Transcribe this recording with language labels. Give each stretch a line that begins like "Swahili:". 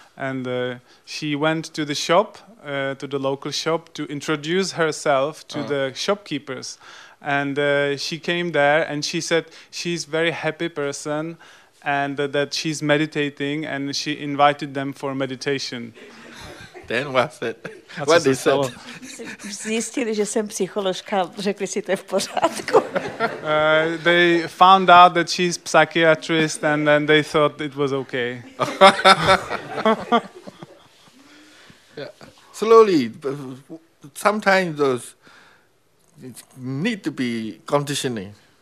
English: And she went to the shop, to the local shop, to introduce herself to the shopkeepers. And she came there and she said she's a very happy person and that she's meditating and she invited them for meditation. Then what's it? What they said?
Czech: Zjistili, že jsem psycholožka, řekli si, to je v pořádku.
English: They found out that she's psychiatrist and then they thought it was okay. Yeah. Slowly, sometimes those need to be conditioning.